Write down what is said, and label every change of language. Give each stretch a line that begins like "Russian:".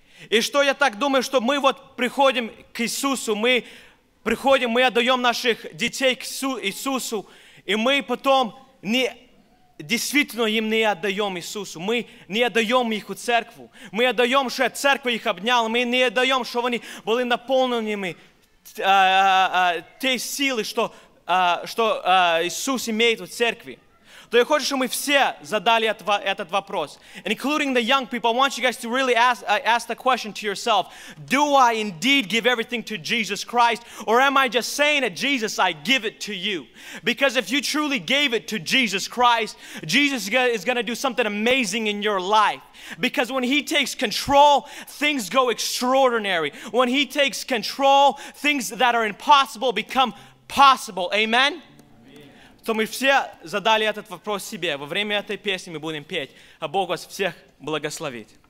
Russian: И что я так думаю, что мы вот приходим к Иисусу, мы приходим, мы отдаем наших детей к Иисусу, и мы потом не действительно им не отдаем Иисусу, мы не отдаем их в церкву, мы отдаем, что церковь их обняла, мы не отдаем, что они были наполнены той силой, что Иисус имеет в церкви. То я хочу, чтобы мы все задали этот вопрос.
English: And including the young people, I want you guys to really ask the question to yourself. Do I indeed give everything to Jesus Christ? Or am I just saying that Jesus, I give it to you? Because if you truly gave it to Jesus Christ, Jesus is going to do something amazing in your life. Because when He takes control, things go extraordinary. When He takes control, things that are impossible become possible. Amen?
Russian: То мы все задали этот вопрос себе. Во время этой песни мы будем петь. А Бог вас всех благословит.